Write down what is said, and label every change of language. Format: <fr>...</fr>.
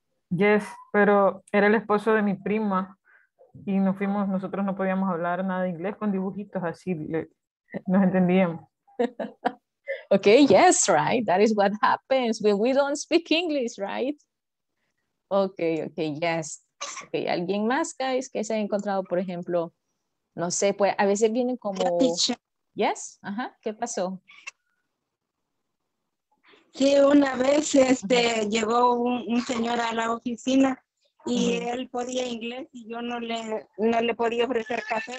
<es>Yes, pero era el esposo de mi prima y nos fuimos, nosotros no podíamos hablar nada de inglés con dibujitos así, nos entendíamos.</es> <en>Okay, yes, right. That is what happens when we don't speak English, right? Okay, yes.</en> <es>Okay, ¿alguien más, guys, que se ha encontrado, por ejemplo? No sé, pues a veces vienen como... Yes, ajá, ¿qué pasó? Sí, una vez llegó un señor a la oficina y él podía inglés y yo no le podía ofrecer café.</es>